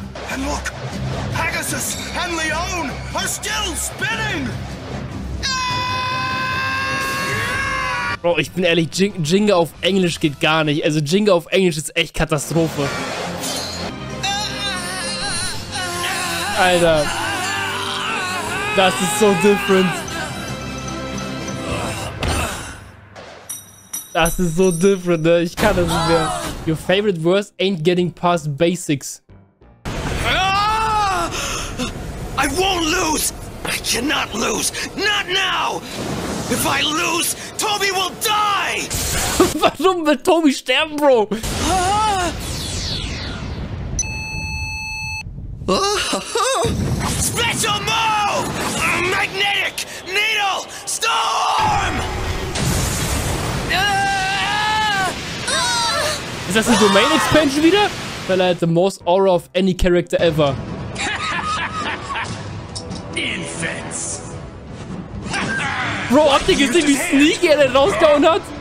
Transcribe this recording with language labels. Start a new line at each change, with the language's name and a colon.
English: And look, Pegasus and Leon are still spinning!
German: Bro, ich bin ehrlich, Jinga auf Englisch geht gar nicht. Also Jinga auf Englisch ist echt Katastrophe. Alter. Das ist so different. Das ist so different, ne? Ich kann das nicht mehr.
English: Your favorite verse ain't getting past basics. I won't lose! I cannot lose! Not now! If I lose, Toby will die!
German: Warum will Toby sterben, Bro?
English: Special move! Magnetic! Needle! Storm! Is that the domain expansion wieder? Well, I had the most aura of any character ever.
German: Bro, habt ihr gesehen, wie sneaky er den rausgehauen hat?